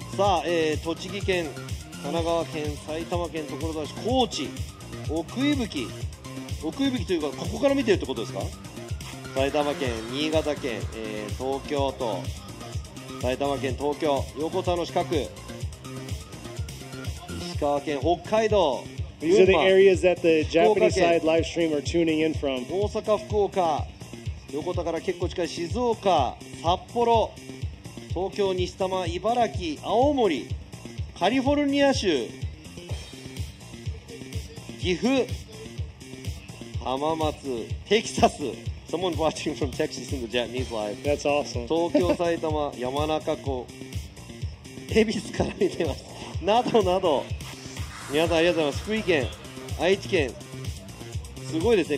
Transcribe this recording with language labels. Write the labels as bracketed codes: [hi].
[ja] さあ、栃木県、神奈川県、埼玉県、所沢市、高知、奥伊吹というか、ここから見てるってことですか？埼玉県、新潟県、東京都、埼玉県、東京、横田の近く、石川県、北海道。 [en] These are the areas that the Japanese side live stream are tuning in from. [ja] 大阪、福岡、横田から結構近い静岡、札幌、東京、西多摩、茨城、青森、カリフォルニア州、岐阜、浜松、テキサス。 [en] Someone watching from Texas in the Japanese live. That's awesome. [ja] 東京、埼玉、山中湖、恵比寿から見てます。などなど。皆さんありがとうございます。福井県、愛知県、すごいですね。